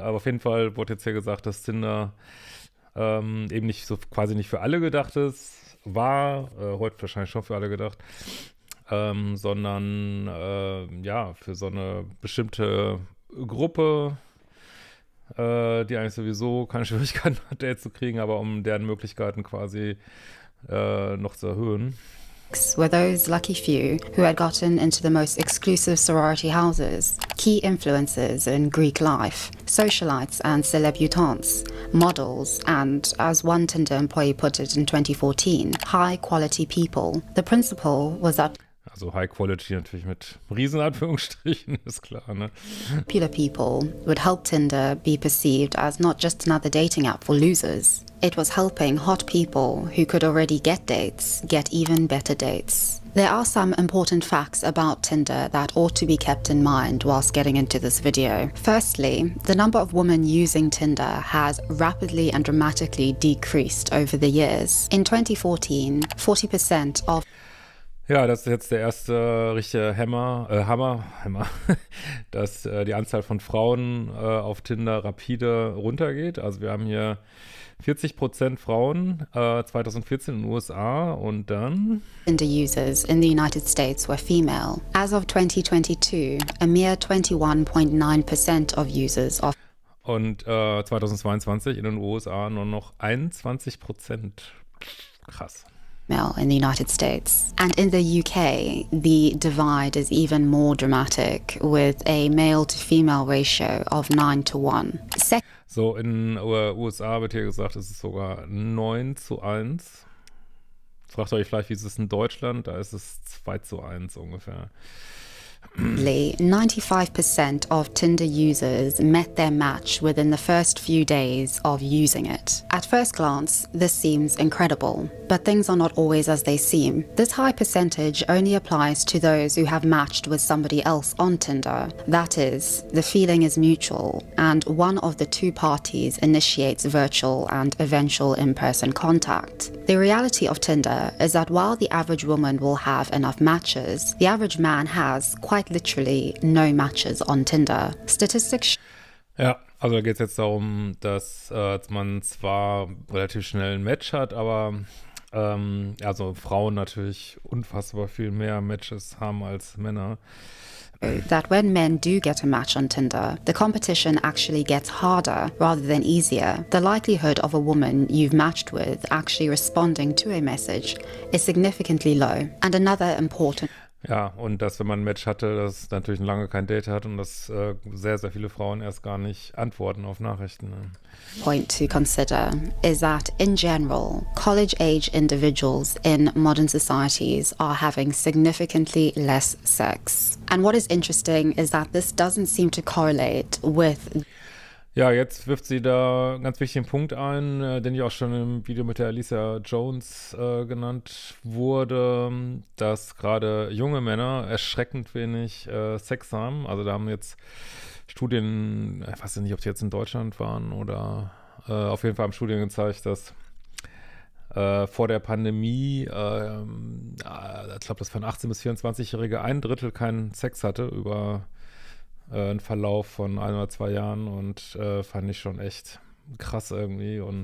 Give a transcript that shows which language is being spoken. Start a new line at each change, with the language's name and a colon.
German: Aber auf jeden Fall wurde jetzt hier gesagt, dass Tinder eben nicht so quasi nicht für alle gedacht ist, war, heute wahrscheinlich schon für alle gedacht, sondern ja, für so eine bestimmte Gruppe, die eigentlich sowieso keine Schwierigkeiten hat, Dates zu kriegen, aber um deren Möglichkeiten quasi noch zu erhöhen.
English: Were those lucky few who had gotten into the most exclusive sorority houses, key influencers in Greek life, socialites and celebutantes, models and, as one Tinder employee put it in 2014, high quality people. The principle was that
German: also high quality natürlich mit riesen Anführungsstrichen, ist klar, ne?
English: Popular people would help Tinder be perceived as not just another dating app for losers. It was helping hot people who could already get dates get even better dates. There are some important facts about Tinder that ought to be kept in mind whilst getting into this video. Firstly, the number of women using Tinder has rapidly and dramatically decreased over the years. In 2014, 40% of...
German: Ja, das ist jetzt der erste richtige Hammer, dass die Anzahl von Frauen auf Tinder rapide runtergeht. Also wir haben hier 40% Frauen 2014 in den USA und dann
English: Tinder users in the United States were female. As of 2022, a mere 21.9% of users of
German: und 2022 in den USA nur noch 21%. Krass.
English: In the United States. And in the UK, the divide is even more dramatic with a male to female ratio of 9 to 1.
German: So in USA wird hier gesagt, es ist sogar 9 zu 1. Fragt euch vielleicht, wie ist es in Deutschland? Da ist es 2 zu 1 ungefähr.
English: 95% of Tinder users met their match within the first few days of using it. At first glance, this seems incredible, but things are not always as they seem. This high percentage only applies to those who have matched with somebody else on Tinder. That is, the feeling is mutual, and one of the two parties initiates virtual and eventual in-person contact. The reality of Tinder is that while the average woman will have enough matches, the average man has quite literally no matches on Tinder. Statistics.
German: Ja, also da geht es jetzt darum, dass man zwar relativ schnell ein Match hat, aber also Frauen natürlich unfassbar viel mehr Matches haben als Männer.
English: That when men do get a match on Tinder, the competition actually gets harder rather than easier. The likelihood of a woman you've matched with actually responding to a message is significantly low. And another important
German: Ja, und dass, wenn man ein Match hatte, dass dann natürlich lange kein Date hat und dass sehr, sehr viele Frauen erst gar nicht antworten auf Nachrichten.
English: Point to consider is that in general, college-age individuals in modern societies are having significantly less sex. And what is interesting is that this doesn't seem to correlate with.
German: Ja, jetzt wirft sie da einen ganz wichtigen Punkt ein, den ich auch schon im Video mit der Alicia Jones genannt wurde, dass gerade junge Männer erschreckend wenig Sex haben. Also da haben jetzt Studien, ich weiß nicht, ob die jetzt in Deutschland waren oder auf jeden Fall haben Studien gezeigt, dass vor der Pandemie, ich glaube, das waren 18- bis 24-Jährige, ein Drittel keinen Sex hatte über ein Verlauf von 1 oder 2 Jahren und fand ich schon echt krass irgendwie.